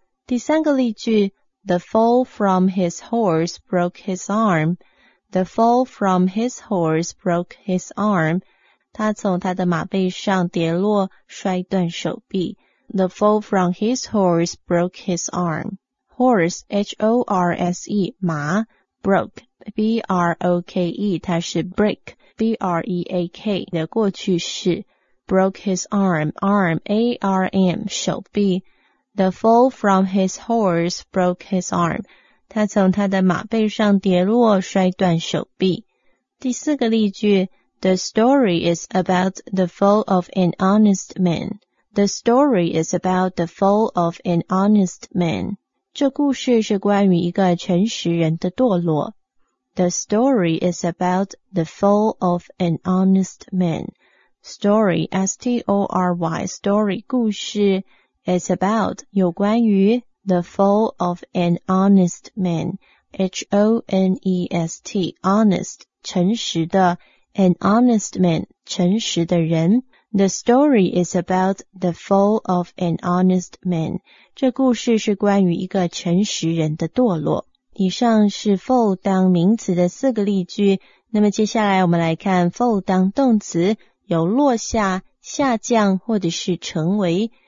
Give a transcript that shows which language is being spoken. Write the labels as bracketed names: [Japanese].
[Chinese] 第三个例句， [English] The fall from his horse broke his arm. The fall from his horse broke his arm. [Chinese] 他从他的马背上跌落，摔断手臂。 [English] The fall from his horse broke his arm. Horse, H-O-R-S-E, 马 broke, B-R-O-K-E, 它是 break, B-R-E-A-K, 的过去式 broke his arm, arm, A-R-M, 手臂 The fall from his horse broke his arm, [Chinese] 他从他的马背上跌落摔断手臂。第四个例句， [English] The story is about the fall of an honest man. The story is about the fall of an honest man. [Chinese] 这故事是关于一个诚实人的堕落。 [English] The story is about the fall of an honest man. Story, S-T-O-R-Y, story, 故事 is about, 有关于 the fall of an honest man. H-O-N-E-S-T, honest, 诚实的 an honest man, 诚实的人。 The story is about the fall of an honest man. [Chinese] 这故事是关于一个诚实人的堕落。以上是 fall 当名词的四个例句。那么接下来我们来看 fall 当动词有落下、下降或者是成为。